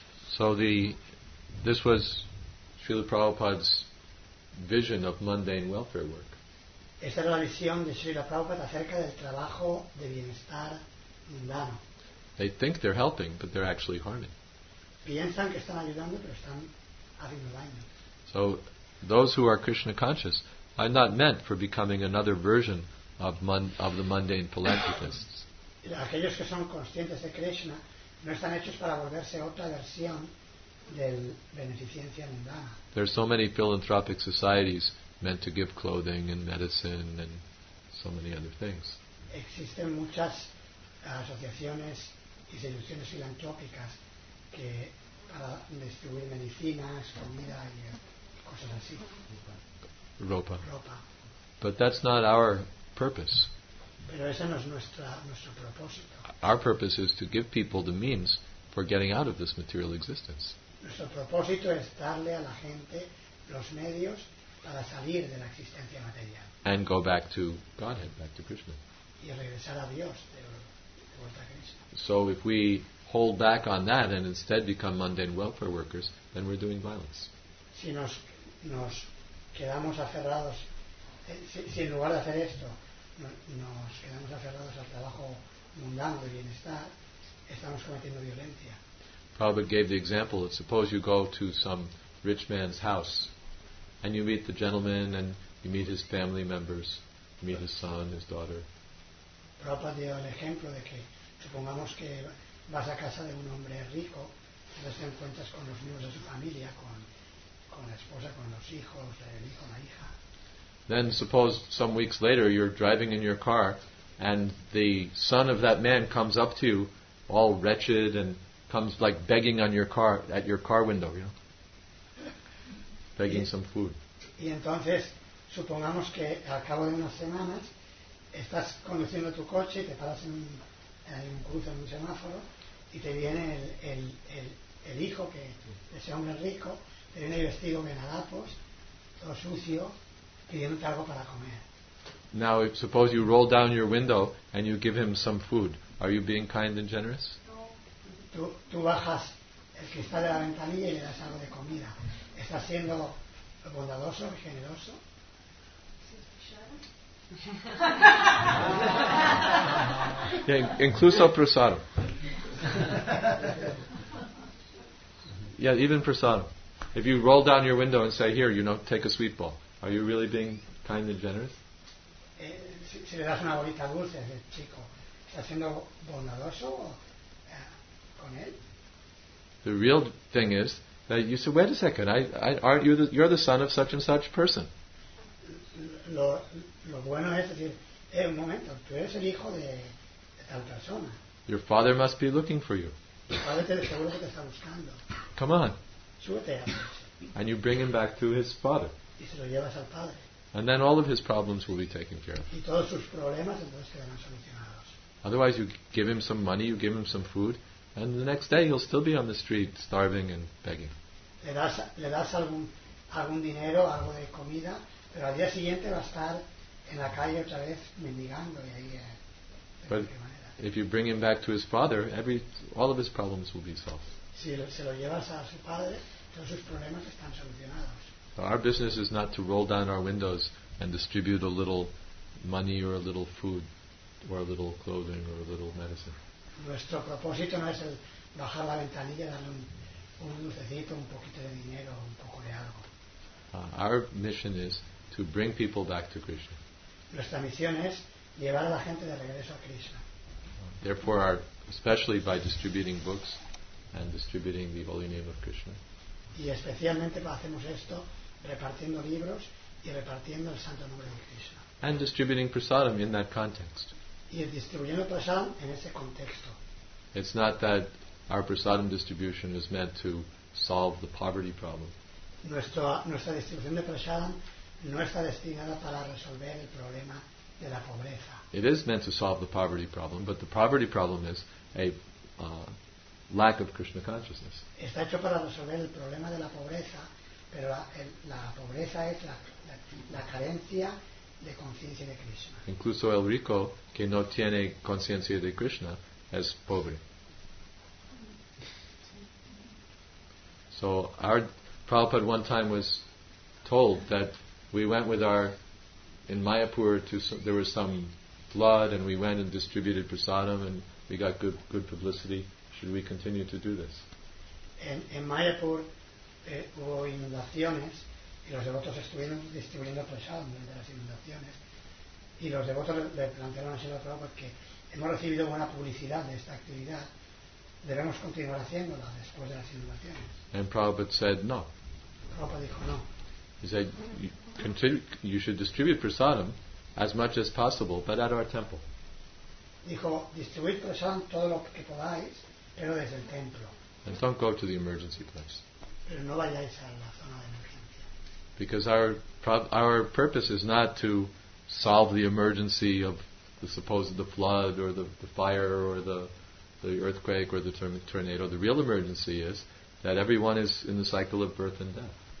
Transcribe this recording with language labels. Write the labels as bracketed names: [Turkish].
[English] So this was Srila Prabhupada's vision of mundane welfare work. [Spanish] Esta era la visión de Srila Prabhupada acerca del trabajo de bienestar mundano. [English] They think they're helping, but they're actually harming. [Spanish] Piensan que están ayudando, pero están haciendo daño. [English] So those who are Krishna conscious are not meant for becoming another version of the mundane philanthropists. [Spanish] Aquellos que son conscientes de Krishna no están hechos para volverse otra versión del beneficencia mundana. [English] There are so many philanthropic societies meant to give clothing and medicine and so many other things. [Spanish] Existen muchas asociaciones y instituciones filantrópicas que para distribuir medicinas, comida y cosas así. Ropa. [English] But that's not our purpose. [Spanish] Pero ese no es nuestro propósito. [English] Our purpose is to give people the means for getting out of this material existence. [Spanish] Nuestro propósito es darle a la gente los medios para salir de la existencia material. [English] And go back to Godhead, back to Krishna. [Spanish] Y regresar a Dios, de vuelta a Krishna. [English] So if we hold back on that and instead become mundane welfare workers, then we're doing violence. [Spanish] Si nos quedamos aferrados, si en lugar de hacer esto, nos quedamos aferrados al trabajo mundano de bienestar, estamos cometiendo violencia. [English] Prabhupada gave the example that suppose you go to some rich man's house and you meet the gentleman and you meet his family members, you meet his son, his daughter. [Spanish] Prabhupada dio el ejemplo de que supongamos que vas a casa de un hombre rico y te encuentras con los miembros de su familia, con la esposa, con los hijos, el hijo, la hija. [English] Then suppose some weeks later you're driving in your car and the son of that man comes up to you all wretched and comes like begging on your car, at your car window, you know, begging some food. [Spanish] Y entonces, supongamos que al cabo de unas semanas estás conduciendo tu coche, te paras en un cruce, en un semáforo, y te viene el hijo que ese hombre rico, te viene vestido de harapos, todo sucio, pidiéndote algo para comer. [English] Now, suppose you roll down your window and you give him some food. Are you being kind and generous? [Spanish] Tú bajas el cristal de la ventanilla y le das algo de comida. ¿Estás siendo bondadoso y generoso? Yeah, incluso prasado. [English] Yeah, even prasado. If you roll down your window and say, here, you know, take a sweet ball, are you really being kind and generous? [Spanish] Si le das una bolita dulce, dice, chico, ¿estás siendo bondadoso o...? [English] The real thing is that you say, wait a second, aren't you you're the son of such and such person. [Spanish] Lo bueno es decir, un momento, tú eres el hijo de tal persona. [English] Your father must be looking for you. [Spanish] Tu padre te seguro que te está buscando. [English] Come on. [Spanish] Súbete a [English] And you bring him back to his father. [Spanish] Y se lo llevas al padre. [English] And then all of his problems will be taken care of. [Spanish] Y todos sus problemas entonces quedan solucionados. [English] Otherwise you give him some money, you give him some food, and the next day he'll still be on the street starving and begging. [Spanish] Le das algún dinero, algo de comida, pero al día siguiente va a estar en la calle otra vez mendigando y ahí. [English] But if you bring him back to his father, all of his problems will be solved. [Spanish] Si se lo llevas a su padre, todos sus problemas están solucionados. [English] So our business is not to roll down our windows and distribute a little money or a little food or a little clothing or a little medicine. [Spanish] Nuestro propósito no es el bajar la ventanilla, darle un lucecito, un poquito de dinero, un poco de algo. [English] Our mission is to bring people back to Krishna. [Spanish] Nuestra misión es llevar a la gente de regreso a Krishna. [English] Therefore, especially by distributing books and distributing the holy name of Krishna. [Spanish] Y especialmente hacemos esto repartiendo libros y repartiendo el santo nombre de Krishna. [English] And distributing prasadam in that context. [Spanish] Y distribuyendo prasadam en ese contexto. [English] It's not that our prasadam distribution is meant to solve the poverty problem. [Spanish] Nuestra distribución de prasadam no está destinada para resolver el problema de la pobreza. [English] It is meant to solve the poverty problem, but the poverty problem is a lack of Krishna consciousness. [Spanish] Está hecho para resolver el problema de la pobreza, pero la pobreza es la carencia de conciencia de Krishna. Incluso el rico que no tiene conciencia de Krishna es pobre. [English] So our Prabhupada one time was told that we went with our in Mayapur to there was some flood and we went and distributed prasadam and we got good publicity. Should we continue to do this? [Spanish] En Mayapur hubo inundaciones y los devotos estuvieron distribuyendo prasadam durante las inundaciones y los devotos le plantearon a Srila Prabhupada que hemos recibido buena publicidad de esta actividad. Debemos continuar haciéndola después de las inundaciones. [English] And Prabhupada said no. [Spanish] Prabhupada dijo no. [English] He said you should distribute prasadam as much as possible, but at our temple. [Spanish] Dijo, distribuid prasadam todo lo que podáis, pero desde el templo. [English] And don't go to the emergency place. [Spanish] Pero no vayáis a la zona de emergencia. [English] Because our purpose is not to solve the emergency of the supposed the flood or the fire or the earthquake or the tornado. The real emergency is that everyone is in the cycle of birth and death.